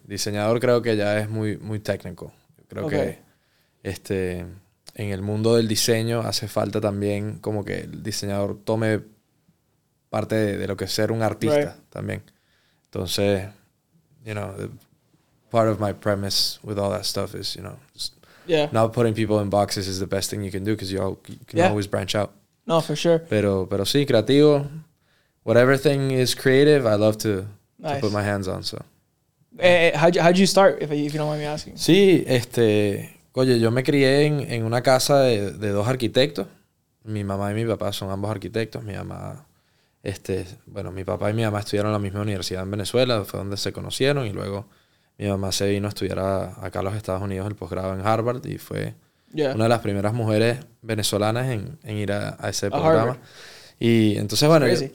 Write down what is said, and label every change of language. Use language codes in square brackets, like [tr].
[es] Diseñador creo que ya es muy, muy técnico. Creo okay. que en el mundo del diseño hace falta también como que el diseñador tome parte de lo que es ser un artista right. también. [en] Entonces, you know, part of my premise with all that stuff is, you know, not putting people in boxes is the best thing you can do because you can always branch out. No, for sure. [es] Pero sí, creativo. [en] Whatever thing is creative, I love to put my hands on. So, how'd you start, if you don't mind me asking? [es] Sí, oye, yo me crié en una casa de dos arquitectos. Mi mamá y mi papá son ambos arquitectos. Mi mamá, mi papá y mi mamá estudiaron en la misma universidad en Venezuela, fue donde se conocieron, y luego mi mamá se vino a estudiar acá a los Estados Unidos el posgrado en Harvard, y fue una de las primeras mujeres venezolanas en ir a ese programa. Harvard. Y entonces, bueno...